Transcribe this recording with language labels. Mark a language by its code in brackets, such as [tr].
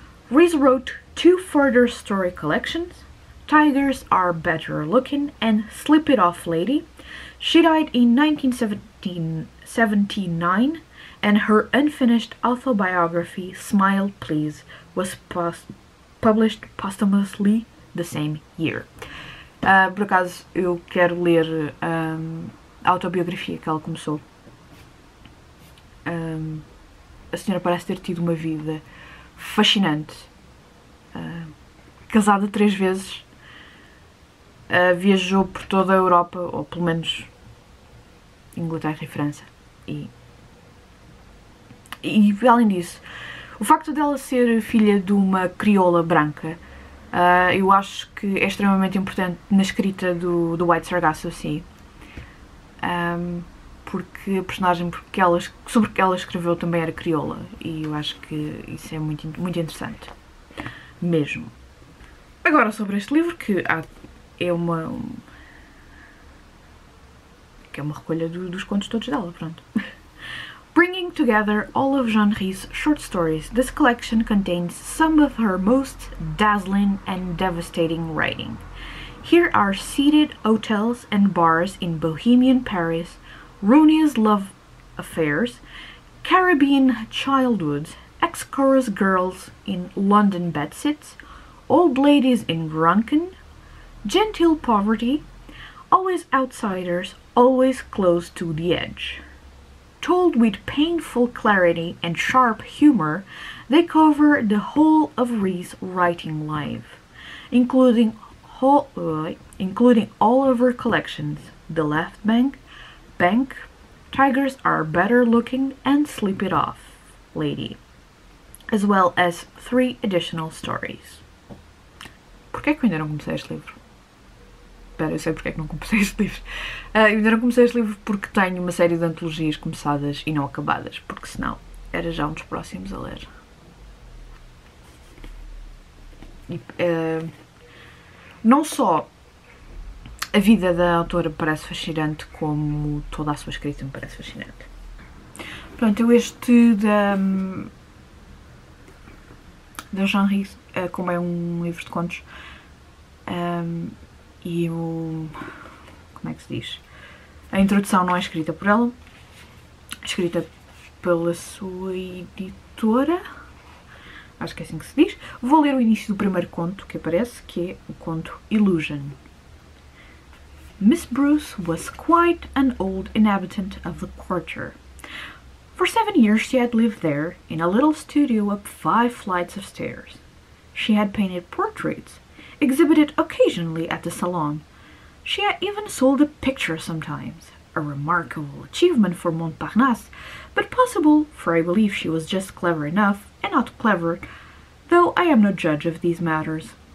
[en] Rhys wrote two further story collections, Tigers Are Better Looking and Sleep It Off Lady. She died in 1979 and her unfinished autobiography Smile Please was published posthumously the same year. [pt] Por acaso, eu quero ler a autobiografia que ela começou. A senhora parece ter tido uma vida fascinante. Casada 3 vezes, viajou por toda a Europa, ou pelo menos Inglaterra e França. E além disso, o facto dela ser filha de uma crioula branca, eu acho que é extremamente importante na escrita do White Sargasso, sim. Porque a personagem sobre que ela escreveu também era crioula, e eu acho que isso é muito, muito interessante. Mesmo. Agora sobre este livro, que é uma recolha dos contos todos dela, pronto. [en] Bringing together all of Jean Rhys' short stories, this collection contains some of her most dazzling and devastating writing. Here are seated hotels and bars in Bohemian Paris, Rooney's love affairs, Caribbean childhoods, ex-chorus girls in London bedsits, old ladies in Runken, genteel poverty, always outsiders, always close to the edge. Told with painful clarity and sharp humor, they cover the whole of Rhys' writing life, including all of her collections, The Left Bank, Tigers Are Better Looking, and Sleep It Off, Lady, as well as 3 additional stories. [pt] Porquê que eu ainda não comecei este livro? Espera, eu sei porquê que não comecei este livro. Eu ainda não comecei este livro porque tenho uma série de antologias começadas e não acabadas, porque senão era já um dos próximos a ler. Não só a vida da autora parece fascinante, como toda a sua escrita me parece fascinante. Pronto, eu este da Jean Rhys, como é um livro de contos, e o... como é que se diz? A introdução não é escrita por ela, é escrita pela sua editora, acho que é assim que se diz. Vou ler o início do primeiro conto que aparece, que é o conto Illusion. [en] Miss Bruce was quite an old inhabitant of the quarter. For 7 years she had lived there, in a little studio up 5 flights of stairs. She had painted portraits, exhibited occasionally at the salon. She had even sold a picture sometimes, a remarkable achievement for Montparnasse, but possible, for I believe she was just clever enough, and not clever, though I am no judge of these matters.